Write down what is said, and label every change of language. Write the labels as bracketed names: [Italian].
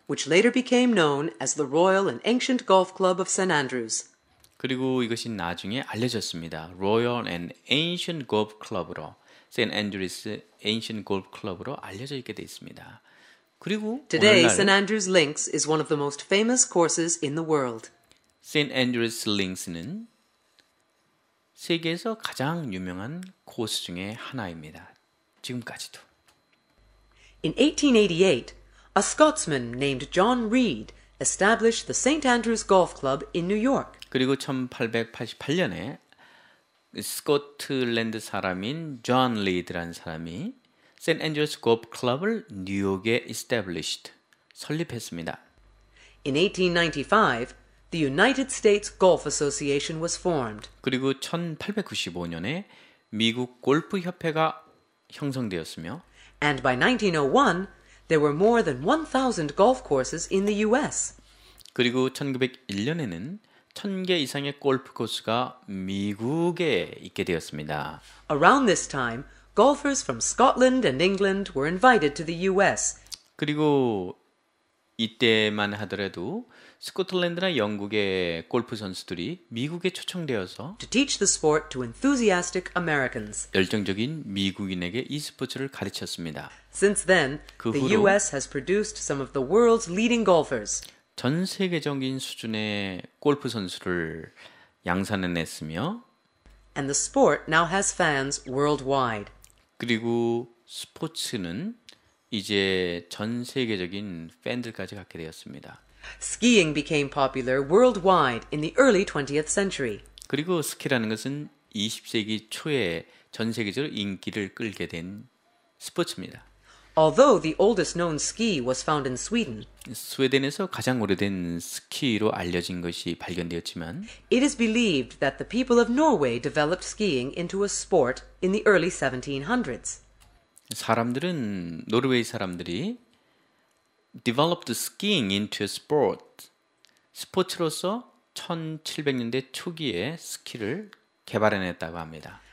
[English] which later became known as the Royal and Ancient Golf Club of St. Andrews. [Korean] 그리고 이것이 나중에 알려졌습니다. Royal and Ancient Golf Club으로 St. Andrews Ancient Golf Club으로 알려져 있게 되어 있습니다. 그리고 [English] Today, [Korean] 오늘날 [English] St. Andrews Links is one of the most famous courses in the world. [Korean] St. Andrews Links는 세계에서 가장 유명한 코스 중에 하나입니다. 지금까지도. [English] In 1888, a Scotsman named John Reed established the St. Andrews Golf Club in New York. [Korean] 그리고 1888년에 스코틀랜드 사람인 존 리드라는 사람이 St. Andrews Golf Club을 뉴욕에 established, 설립했습니다. [English] In 1895, the United States Golf Association was formed. [Korean] 그리고 1895년에 미국 골프 협회가 형성되었으며 [English] And by 1901, there were more than 1,000 golf courses in the US. [Korean] 그리고 1901년에는 1,000개 이상의 골프 코스가 미국에 있게 되었습니다. [English] Around this time, golfers from Scotland and England were invited to the US. [Korean] 그리고 이때만 하더라도 스코틀랜드나 영국의 골프 선수들이 미국에 초청되어서 [English] to teach the sport to enthusiastic Americans. [Korean] 열정적인 미국인에게 이 스포츠를 가르쳤습니다. [English] Since then, the US has produced some of the world's leading golfers. [Korean] 전 세계적인 수준의 골프 선수를 양산해냈으며 [English] And the sport now has fans worldwide. [Korean] 그리고 스포츠는 이제 전 세계적인 팬들까지 갖게 되었습니다. [English] Skiing became popular worldwide in the early 20th century. [Korean] 그리고 스키라는 것은 20세기 초에 전 세계적으로 인기를 끌게 된 스포츠입니다. [English] Although the oldest known ski was found in Sweden, [Korean] 스웨덴에서 가장 오래된 스키로 알려진 것이 발견되었지만, [English] it is believed that the people of Norway developed skiing into a sport in the early 1700s. [Korean] 사람들은 노르웨이 사람들이 [English] developed skiing into a sport, [Korean] 스포츠로서 1700년대 초기에 스키를 개발해냈다고 합니다.